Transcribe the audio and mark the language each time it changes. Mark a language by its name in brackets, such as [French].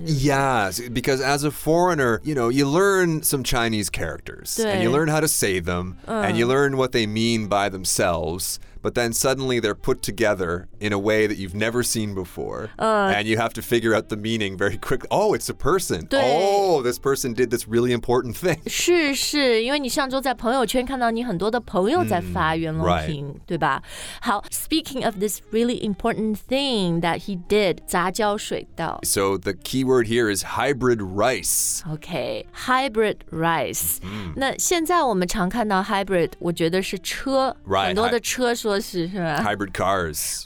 [English] Yes, because as a foreigner, you know, you learn some Chinese characters, and you learn how to say them, and you learn what they mean by themselves. But then suddenly they're put together in a way that you've never seen before. And you have to figure out the meaning very quickly. Oh, it's a person. Oh, this person did this really important thing. [Chinese] 是是，因为你上周在朋友圈看到你很多的朋友在发袁隆平，对吧？ [English] 好， speaking of this really important thing that he did, [Chinese] 杂交水稻。 [English] So the key word here is hybrid rice. Okay, hybrid rice. [Chinese] 那现在我们常看到 hybrid, 我觉得是车，很多的车是。 [English] Hybrid cars.